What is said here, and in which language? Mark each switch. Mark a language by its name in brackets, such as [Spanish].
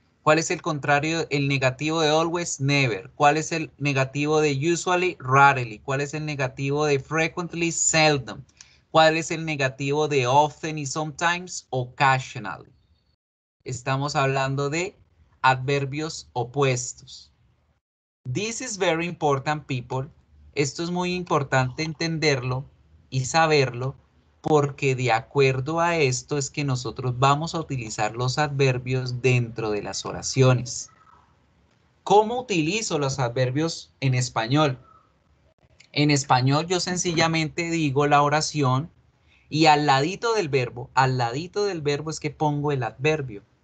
[Spanish] ¿Cuál es el contrario, el negativo de always? Never. ¿Cuál es el negativo de usually? Rarely. ¿Cuál es el negativo de frequently? Seldom. ¿Cuál es el negativo de often y sometimes? Occasionally. Estamos hablando de adverbios opuestos. [English] This is very important, people. [Spanish] Esto es muy importante entenderlo y saberlo, porque de acuerdo a esto es que nosotros vamos a utilizar los adverbios dentro de las oraciones. ¿Cómo utilizo los adverbios en español? En español yo sencillamente digo la oración y al ladito del verbo es que pongo el adverbio.